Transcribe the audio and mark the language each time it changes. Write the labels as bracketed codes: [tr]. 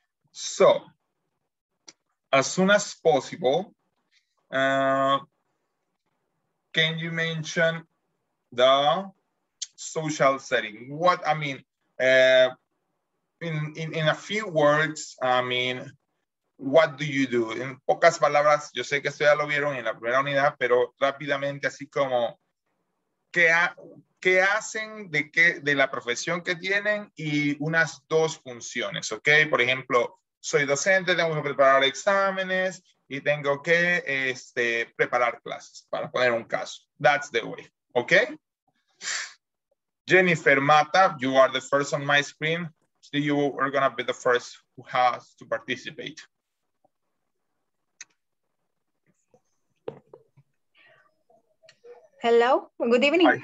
[en] So, as soon as possible, can you mention the social setting? What, I mean, in a few words, I mean, what do you do? [es] En pocas palabras, yo sé que esto ya lo vieron en la primera unidad, pero rápidamente, así como, ¿qué hacen de la profesión que tienen y unas dos funciones, ok? Por ejemplo, soy docente, tengo que preparar exámenes y tengo que preparar clases, para poner un caso. [en] That's the way, ok? Jennifer Mata, you are the first on my screen. So you are going to be the first who has to participate. Hello, good evening.